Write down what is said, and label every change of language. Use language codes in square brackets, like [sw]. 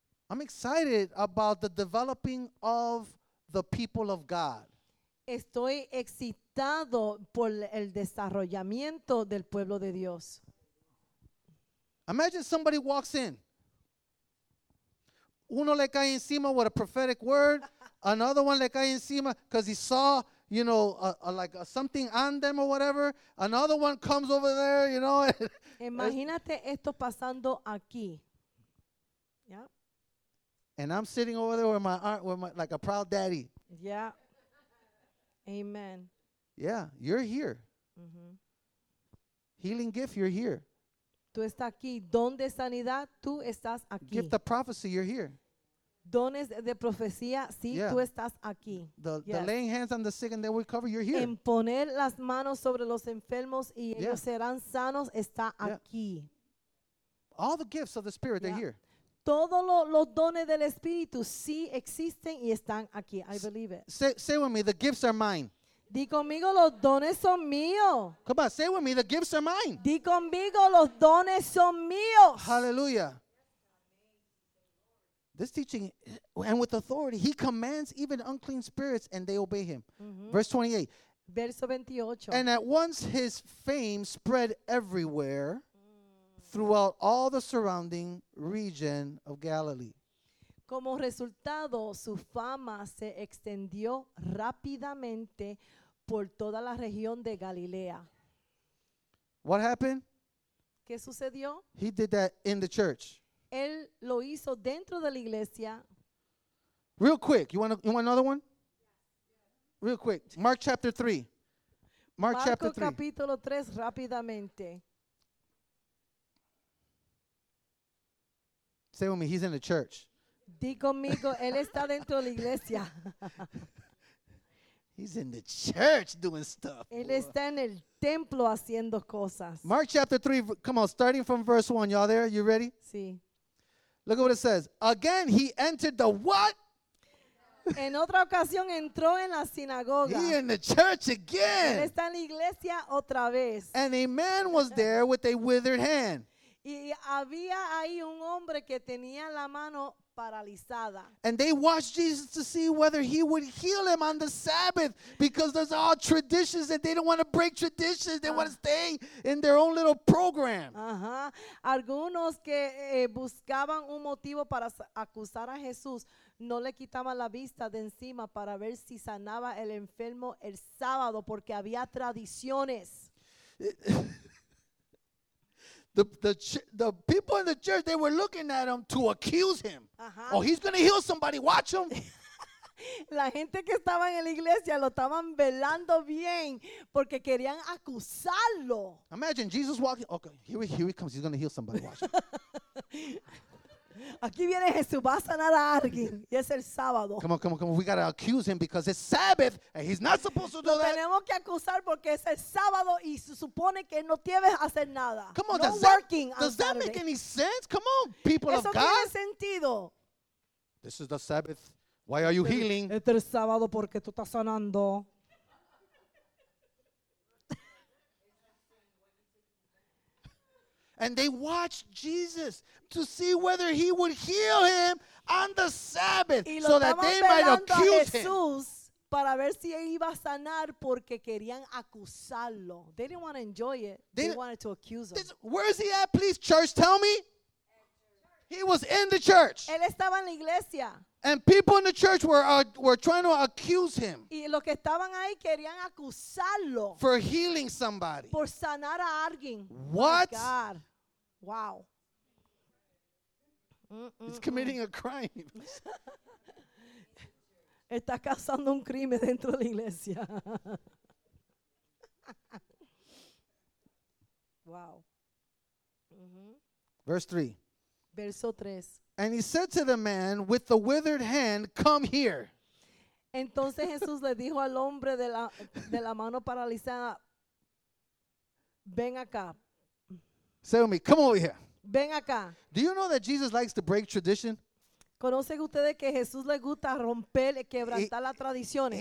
[en] I'm excited about the developing of the people of God. [es] Estoy excitado por el desarrollamiento del pueblo de Dios. [en] Imagine somebody walks in. [es] Uno le cae encima [en] with a prophetic word. Another one [es] le cae encima [en] because he saw, you know, like something on them or whatever. Another one comes over there, you know. [es] Imagínate esto pasando aquí. Yeah. [en] And I'm sitting over there with my like a proud daddy. Yeah. Amen. Yeah, you're here. Mm-hmm. Healing gift, you're here. [es] Tú estás aquí. Don de sanidad, tú estás aquí. [en] Gift of prophecy, you're here. [es] Dones de profecía, sí, yeah. Tú estás aquí. [en] The laying hands on the sick and they will recover, you're here. [es] En poner las manos sobre los enfermos y ellos serán sanos, está aquí. [en] All the gifts of the Spirit, they're here. [es] Todos los dones del Espíritu sí existen y están aquí. [en] I believe it. Say with me, the gifts are mine. [es] Di conmigo, los dones son míos. [en] Come on, say with me, the gifts are mine. [es] Di conmigo, los dones son míos. [en] Hallelujah. This teaching, and with authority, he commands even unclean spirits and they obey him. Mm-hmm. Verse 28. [es] Verso 28. [en] And at once his fame spread everywhere throughout all the surrounding region of Galilee. [es] Como resultado, su fama se extendió rápidamente por toda la región de Galilea. [en] What happened? [es] ¿Qué sucedió? [en] He did that in the church. [es] Él lo hizo dentro de la iglesia. [en] Real quick, you want another one? Real quick, Mark chapter 3. Mark chapter 3. [es] Capítulo 3, rápidamente. [en] Say with me, he's in the church. [es] Di conmigo, él está dentro de la iglesia. [en] He's in the church doing stuff. [es] Él está en el templo haciendo cosas. [en] Mark chapter 3, come on, starting from verse 1. Y'all there? You ready? [es] Sí. [en] Look at what it says. Again, he entered the what? [es] En otra ocasión entró en la sinagoga. [en] He in the church again. [es] Él está en la iglesia otra vez. [en] And a man was there with a withered hand. [es] Y había ahí un hombre que tenía la mano paralizada. [en] And they watched Jesus to see whether he would heal him on the Sabbath, because there's all traditions that they don't want to break traditions. They want to stay in their own little program. Uh-huh. [es] Algunos que buscaban un motivo para acusar a Jesús no le quitaban la vista de encima para ver si sanaba el enfermo el sábado, porque había tradiciones. [en] The people in the church, they were looking at him to accuse him. Uh-huh. Oh, he's going to heal somebody. Watch him. [es] La gente que estaba en la iglesia lo estaban velando bien porque querían acusarlo. [en] Imagine Jesus walking. Okay, here he comes. He's going to heal somebody. Watch him. [es] Aquí viene Jesús. Va a sanar a alguien. Y es el sábado. [en] Come on. We got to accuse him because it's Sabbath and he's not supposed to do that. [es] Lo tenemos que acusar porque es el sábado y se supone que no tiene que hacer nada. [en] Come on. No does working that, on does Saturday. That make any sense? Come on, people [es] Eso [en] of God. [es] Eso tiene sentido. [en] This is the Sabbath. Why are you healing? [es] Este es el sábado porque tú estás sanando. [en] And they watched Jesus to see whether he would heal him on the Sabbath so that they might accuse [es] Jesús [en] him. [es] Para ver si él iba a sanar porque querían acusarlo. [en] They didn't want to enjoy it. They wanted to accuse him. Where is he at, please? Church, tell me. He was in the church. [es] Él estaba en la iglesia. [en] And people in the church were trying to accuse him. [es] Y los que estaban ahí querían acusarlo. [en] For healing somebody. [es] Por sanar a alguien. [en] What? Oh God. Wow. He's committing a crime. [es] Está causando un crimen dentro de la iglesia. [en] Wow. Verse 3. [es] Verso 3. [en] And he said to the man with the withered hand, come here. [es] Entonces Jesús le dijo al hombre de la mano paralizada, ven acá. [en] Say with me, come over here. [es] Ven acá. [en] Do you know that Jesus likes to break tradition? [es] ¿Conocen ustedes que Jesús le gusta romper, quebrantar las tradiciones?